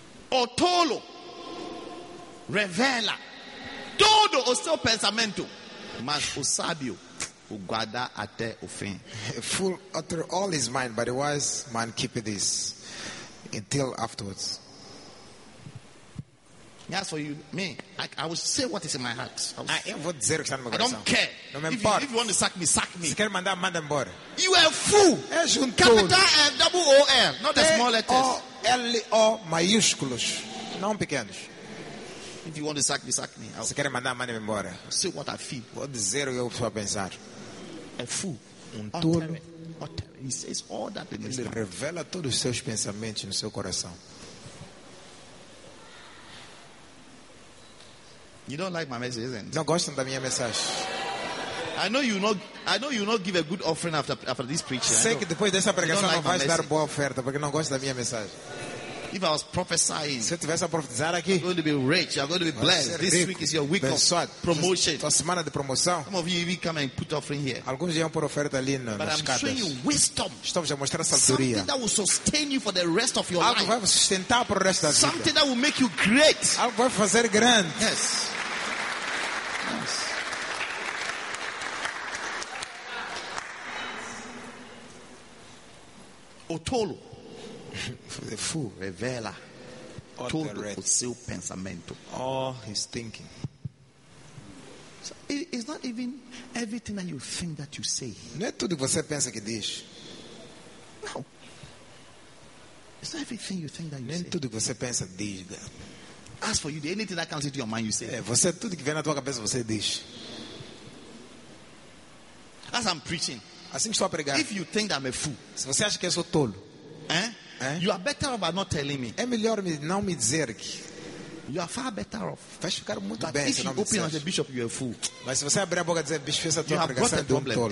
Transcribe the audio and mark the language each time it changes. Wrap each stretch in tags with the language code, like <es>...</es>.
<pt>O tolo revela todo o seu pensamento, mas o sábio o guarda até o fim.</pt> <en>Full utter all his mind, but the wise man keep this until afterwards. As for you, me, I will say what is in my heart. I don't care.</en> <pt>Não me importa.</pt> <en>If you want to sack me, sack me.</en> <pt>Se quer mandar, manda embora.</pt> <en>You are a fool.</en> <pt>És</pt> <en>capital F, double O L, not the small letters.</en> <pt>L O maiúsculos, não pequenos.</pt> <en>If you want to sack me, sack me.</en> <pt>Se quer mandar, manda embora.</pt> <en>Say what I feel.</en> <pt>Vou dizer o que eu estou a pensar.</pt> <en>A fool.</en> <pt>Tolo.</pt> <en>He says all that in his heart.</en> <pt>Ele revela todos os seus pensamentos no seu coração.</pt> <en>You don't like my message, isn't it?</en> <pt>Não gosta da minha mensagem.</pt> <en>I know you not give a good offering after this preaching.</en> <pt>Sei que depois dessa pregação não vais dar boa oferta porque não gosta da minha mensagem.</pt> <en>If I was prophesying,</en> <pt>se eu tivesse a profetizar aqui,</pt> <en>I'm going to be rich. I'm going to be blessed. This week is your week of promotion.</en> <pt>Tua semana de promoção.</pt> <en>Some of you even come and put offering here.</en> <pt>Alguns iam por oferta ali nas escadas.</pt> <en>But I'm showing you wisdom.</en> <pt>Estou a mostrar sabedoria.</pt> <en>Something that will sustain you for the rest of your life.</en> <pt>Algo vai sustentar para o resto da vida.</pt> <en>Something that will make you great.</en> <pt>Algo vai fazer grande.</pt> <en>Yes.</en> <pt>O tolo.</pt> <en>The fool</en> <pt>revela todo o seu pensamento.</pt> <en>All his thinking. So it's not even everything that you think that you say.</en> <pt>Não é tudo que você pensa que diz.</pt> <en>No. It's not everything you think that you</en> <pt>Nem</pt> <en>say.</en> <pt>Nem tudo que você pensa diz.</pt> <en>As for you, anything that comes into your mind, you say.</en> <pt>É, você tudo que vem na tua cabeça você diz.</pt> <en>As I'm preaching.</en> <pt>Assim que estou a pregar.</pt> <en>If you think that I'm a fool.</en> <pt>Se você acha que eu sou tolo. Hein?</pt> <en>You are better off by not telling me.</en> <pt>É melhor não me dizer.</pt> <en>You are far better off.</en> <pt>Vai ficar muito bem.</pt> <en>If you open as a bishop, you are a fool.</en> <pt>Mas se você abrir a boca e dizer bispo, essa tua pregação é de um tolo.</pt>